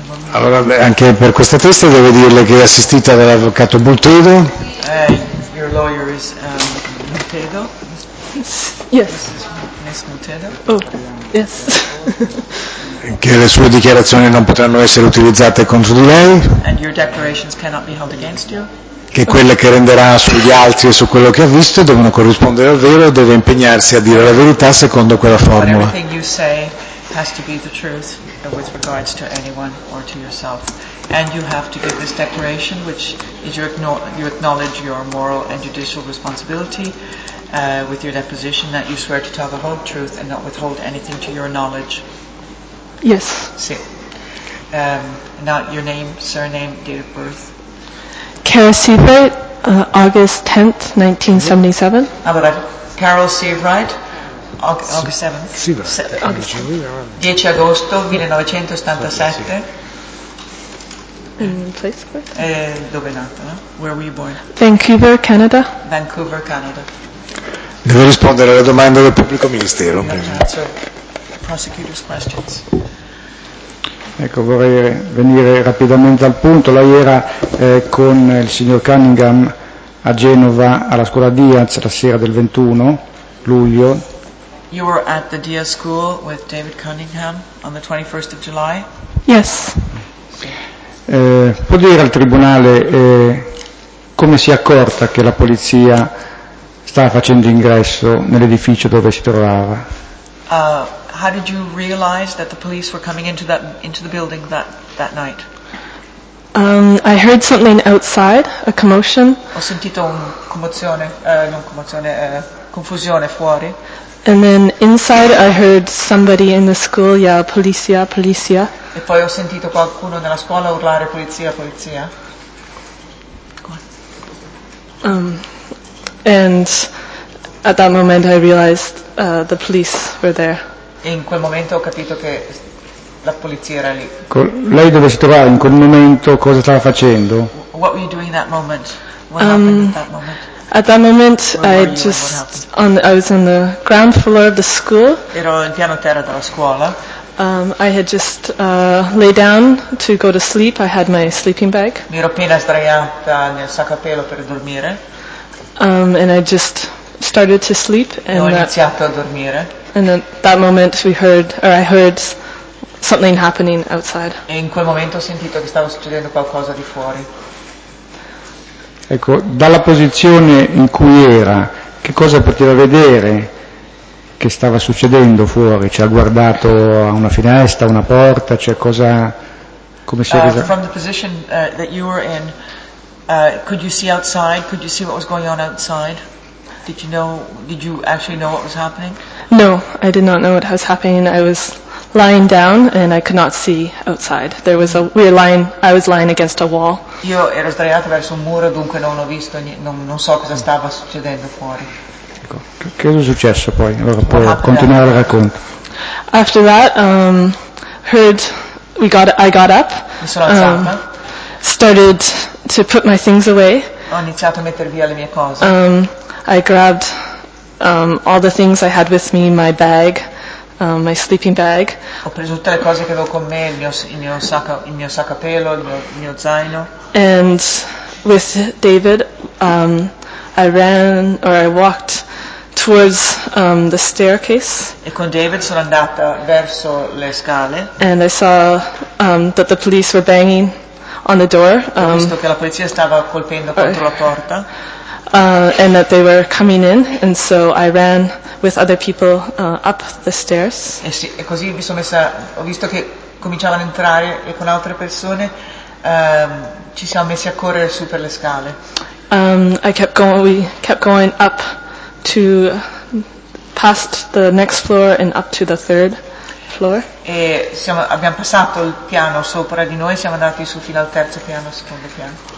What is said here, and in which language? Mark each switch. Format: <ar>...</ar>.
<it>Allora, anche per questa testa devo dirle che è assistita dall'avvocato Bultedo.</it> <en>Your lawyer is Bultedo. Yes. Ms. Bultedo. Oh, yes.</en> <it>Che le sue dichiarazioni non potranno essere utilizzate contro di lei.</it> <en>And your declarations cannot be held against you.</en> <it>Che quelle che renderà sugli altri e su quello che ha visto devono corrispondere al vero e deve impegnarsi a dire la verità secondo quella formula.</it> <en>Everything you say has to be the truth with regards to anyone or to yourself. And you have to give this declaration, which is you acknowledge your moral and judicial responsibility with your deposition, that you swear to tell the whole truth and not withhold anything to your knowledge. Yes. Sì. Now your name, surname, date of birth. Carol Seabright, August 10th, 1977. Allora, Carol Seabright, August 7th. August 10th, 1977. In place of birth?</en> <it>Dove è nata, no?</it> <en>Where were you born? Vancouver, Canada. Vancouver, Canada.</en> <it>Devo rispondere alla domanda del pubblico ministero.</it> <en>Answer prosecutor's questions.</en> <it>Ecco, vorrei venire rapidamente al punto. Lei era con il signor Cunningham a Genova alla scuola Diaz la sera del 21 luglio.</it> <en>You were at the Diaz School with David Cunningham on the 21st of July? Yes.</en> <it>Può dire al tribunale come si è accorta che la polizia stava facendo ingresso nell'edificio dove si trovava?</it> <en>How did you realize that the police were coming into the building that night? I heard something outside, a commotion.</en> <it>Ho sentito un confusione fuori.</it> <en>And then inside I heard somebody in the school yell polizia, polizia.</en> <it>E poi ho sentito qualcuno nella scuola urlare polizia, polizia.</it> <en>And at that moment I realized the police were there.</en> <it>In quel momento ho capito che la polizia era lì. Lei dove si trovava in quel momento? Cosa stava facendo?</it> <en>What were you doing in that moment? What happened at that moment? At that moment, I was on the ground floor of the school.</en> <it>Ero in piano terra della scuola.</it> <en>I had just lay down to go to sleep. I had my sleeping bag.</en> <it>Mi ero appena sdraiata nel sacco a pelo per dormire.</it> <en>And I just started to sleep. And</en> <it>ho iniziato a dormire.</it> <en>And at that moment I heard something happening outside.</en> <it>E in quel momento ho sentito che stava succedendo qualcosa di fuori. Ecco, dalla posizione in cui era, che cosa poteva vedere che stava succedendo fuori? Cioè, ha guardato a una finestra, a una porta, cioè cosa, come si è risa?</it> <en>From the position that you were in, could you see outside? Could you see what was going on outside? Did you actually know what was happening? No, I did not know what was happening. I was lying down and I could not see outside. There was I was lying against a wall.</en> <it>Io ero sdraiato verso un muro, dunque non ho visto non so cosa stava succedendo fuori. Che è successo poi? Allora può continuare il racconto.</it> <en>After that, I got up.</en> <it>Mi sono alzata.</it> <en>Started to put my things away.</en> <it>Ho iniziato a mettere via le mie cose.</it> <en>I grabbed all the things I had with me, my bag, my sleeping bag.</en> <it>Ho preso tutte le cose che avevo con me, il mio sacco a pelo, il mio zaino.</it> <en>And with David, I walked towards the staircase.</en> <it>E con David sono andata verso le scale.</it> <en>And I saw that the police were banging on the door.</en> <it>Ho visto che la polizia stava colpendo contro la porta.</it> <en>And that they were coming in, and so I ran with other people up the stairs.</en> <it>E sì, e così mi sono messa, ho visto che cominciavano a entrare e con altre persone ci siamo messi a correre su per le scale.</it> <en>We kept going up to past the next floor and up to the third floor.</en> <it>E abbiamo passato il piano sopra di noi, siamo andati su fino al terzo piano, secondo piano.</it>